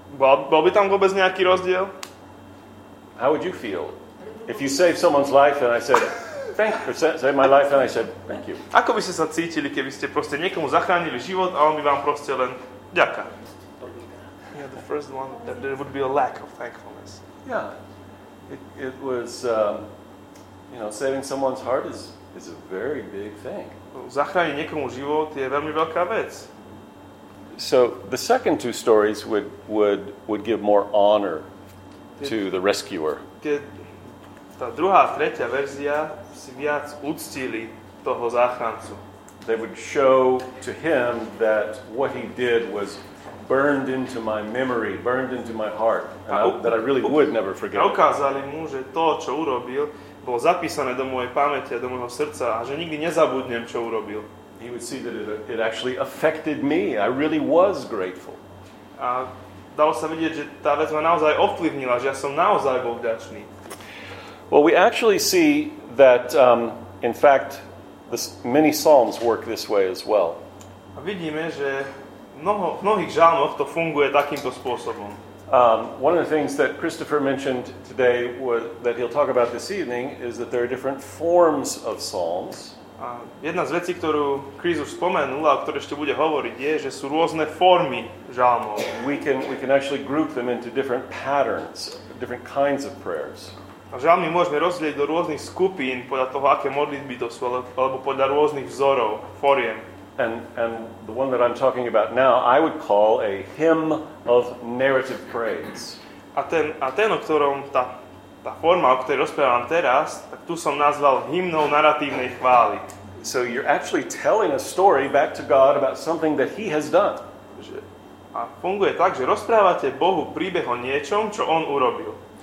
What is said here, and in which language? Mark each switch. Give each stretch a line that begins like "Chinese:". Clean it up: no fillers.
Slovak: Bol by tam vôbec nejaký rozdiel?
English: How would you feel if you saved someone's life and I said thank you, saved my life and I said thank you?
Slovak: Ako by ste sa cítili, keby ste proste niekomu zachránili život a on by vám proste len ďaká?
English: Yeah, the first one, that there would be a lack of thankfulness. Yeah, it was, you know, saving someone's heart is a very big thing.
Slovak: Zachrániť niekomu život je veľmi veľká vec.
English: So the second two stories would give more honor to the rescuer.
Slovak: Tá druhá, tretia verzia si viac uctili toho záchrancu.
English: They would show to him that what he did was burned into my memory, burned into my heart, that I really would never forget.
Slovak: A ukázali mu, že to, čo urobil, bolo zapísané do mojej pamäti a do môjho srdca a že nikdy nezabudnem, čo urobil.
English: He would see that it actually affected me. I really was grateful.
Slovak: A dalo sa vidieť, že tá vec ma naozaj ovplyvnila, že ja som naozaj bol vďačný.
English: Well, we actually see that, in fact, many psalms work this way as well.
Slovak: A vidíme, že v mnohých žalmoch to funguje takýmto spôsobom.
English: One of the things that Christopher mentioned today that he'll talk about this evening is that there are different forms of psalms.
Slovak: A jedna z vecí, ktorú Chris už spomenul a o ktorej ešte bude hovoriť, je, že sú rôzne formy žalmov.
English: We can actually group them into different patterns, different kinds of prayers.
Slovak: A žalmy môžeme rozdeliť do rôznych skupín podľa toho, aké modlitby to sú, alebo podľa rôznych vzorov, foriem.
English: And the one that I'm talking about now, I would call a hymn of narrative praise.
Slovak: A ten, o ktorom tá forma, o ktorej rozprávam teraz, tak tu som nazval hymnou narratívnej chvály.
English: So you're actually telling a story back to God about something that he has done.
Slovak: A funguje tak, že rozprávate Bohu príbeh o niečom, čo on urobil.